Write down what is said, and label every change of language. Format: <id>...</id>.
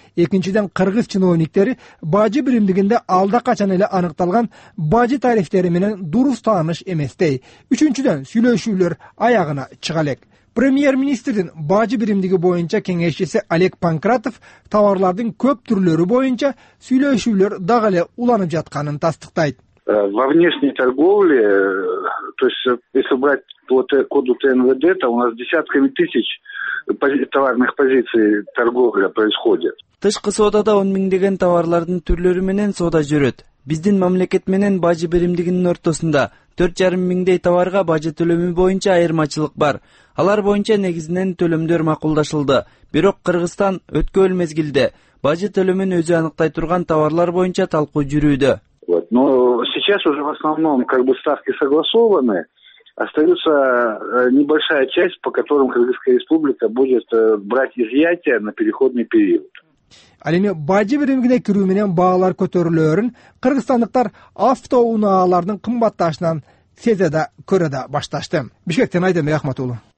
<ky>Экинчиден, кыргыз чиновниктери бажы биримдигинде алда качан эле аныкталган бажы тарифтери менен дурус тааныш эместей. Үчүнчүдөн, сүйлөшүүлөр аягына чыга элек. Премьер-министрдин бажы биримдиги боюнча кеңешчиси Олег Панкратов товарлардын көп түрлөрү боюнча сүйлөшүүлөр дагы эле уланып жатканын тастыктайт.</ky> <ru>Во внешней торговле, то есть если брать по коду ТНВД, то у нас десятками тысяч товарных позиций торговля происходит.</ru> <ky>Тышкы соодада 10 миңдеген товарлардын түрлөрү менен соода жүрөт. Биздин мамлекет менен бажы биримдигинин ортосунда 4,5 миңдей товарга бажы төлөмү боюнча айырмачылык бар. Алар боюнча негизинен төлөмдөр макулдашылды. Бирок Кыргызстан өткөн мезгилде бажы төлөмүн өзү аныктай турган товарлар боюнча талкуу жүрүүдө.</ky> <ru>Но сейчас уже в основном как бы ставки согласованы, остается небольшая часть, по которым Кыргызская Республика будет брать изъятия на переходный период.</ru> <ky>Ал эми бажы биримдигине кирүү менен баалар көтөрүлөрүн кыргызстандыктар автоунаалардын кымбатташынан сезе да көрө да башташты. Бишкектен Айдамбек Ахмат уулу.</ky>